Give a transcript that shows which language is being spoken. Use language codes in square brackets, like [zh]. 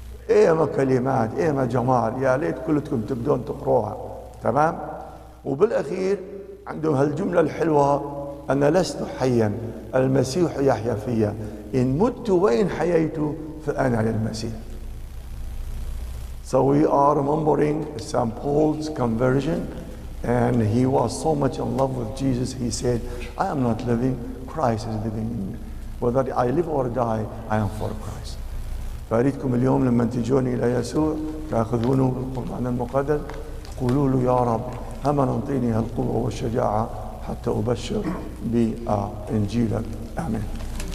[ar] إيه ما كلمات، إيه ما جمال، يا ليت كلكم تبدون تقروها، تمام؟ وبالأخير عندهم هالجملة الحلوة، أنا لست حيا المسيح يحيا فيا، إن مت وإن حييت فأنا للمسيح. [en] So we are remembering St. Paul's conversion, and he was so much in love with Jesus, he said, I am not living, Christ is living in me. Whether I live or die, I am for Christ. [ar] فأريدكم اليوم لما تجوني إلى يسوع تأخذونه بالقرآن المقدس، قولوا له يا رب هم ننطيني هالقوة والشجاعة حتى أبشر بإنجيلك. آمين.